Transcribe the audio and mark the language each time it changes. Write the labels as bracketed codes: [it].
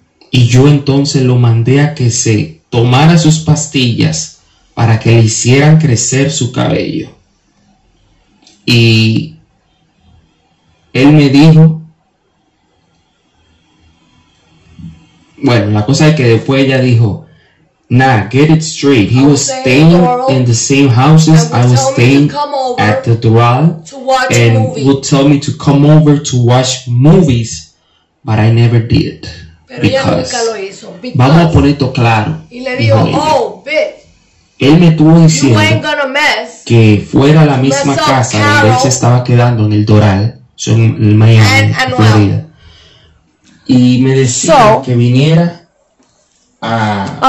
[es] Y yo entonces lo mandé a que se tomara sus pastillas para que le hicieran crecer su cabello. Y él me dijo, bueno, la cosa es que después ella dijo, [en] Nah, get it straight. He was staying in the same houses I was staying at the Doral. And would tell me to come over to watch movies, but I never did. Because [es] vamos a poner esto claro. Y le dijo, [en] oh, bitch. [es] Él me estuvo diciendo que fuera a la misma casa donde él se estaba quedando en el Doral, en el Miami, en Florida. Y me decía que viniera a...